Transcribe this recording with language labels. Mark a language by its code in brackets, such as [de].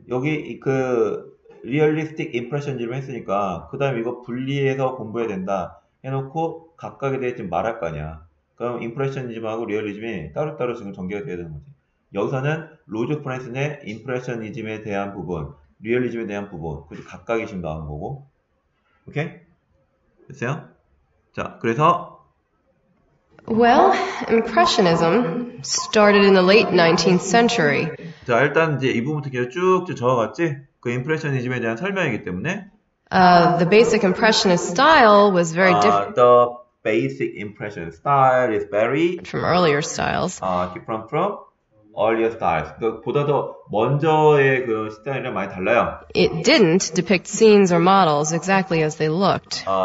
[ko] 여기 그 리얼리스틱 임프레셔니즘 했으니까 그 다음에 이거 분리해서 공부해야 된다 해놓고 각각에 대해 지금 말할 거 아니야. 그럼 임프레셔니즘하고 리얼리즘이 따로따로 지금 전개가 되어야 되는 거지. 여기서는 로즈 프랑스의 임프레셔니즘에 대한 부분, 리얼리즘에 대한 부분, 그 각각이 지금 나온 거고. 오케이? 됐어요? 자, 그래서 [en] Well, Impressionism started in the late 19th century. [ko] 자, 일단 이제 이 부분부터 계속 쭉 적어갔지? 그 임프레셔니즘에 대한 설명이기 때문에. [en] The basic impressionist style was very different. The basic impression style is very from earlier styles. Different from earlier styles. [ko] 그러니까 보다 더 먼저의 그 스타일이랑 많이 달라요. [en] It didn't depict scenes or models exactly as they looked.